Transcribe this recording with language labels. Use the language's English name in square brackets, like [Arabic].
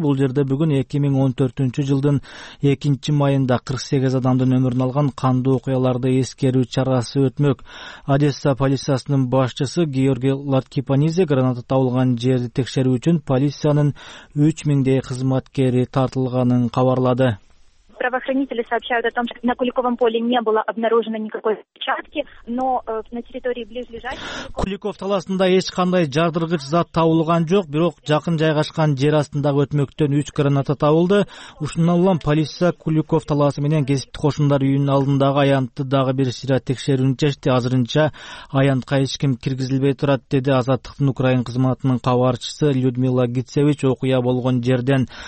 [Kyrgyz] Бул жерде бүгүн 2014 жылдын 2 майында 48 адамдын өмүрүн алган кандуу окуяларды эскерүү чарасы өтмөк. Одесса полициясынын башчысы Георгий Латкипанизе граната табылган жерди текшерүү үчүн полициянын 3000 кызматкери тартылганын кабарлады. [Russian] Правоохранители сообщают о том, что на Куликовом поле не было обнаружено никакой взрывчатки, но на территории близлежащей [Kyrgyz] Куликов таласында эч кандай жардыргыч зат табылган жок, бирок жакын жайгашкан жер астындагы өтмөктөн 3 граната табылды. Ушундан улам полиция Куликов таласы менен кесиптик кошундар үйүнүн алдындагы аянтты дагы бир сыйра текшерүүнү чечти. Азырынча аянтка эч ким киргизилбей турат, деди Азаттыктын Украин кызматынын кабарчысы Людмила Гитсевич окуя болгон жерден.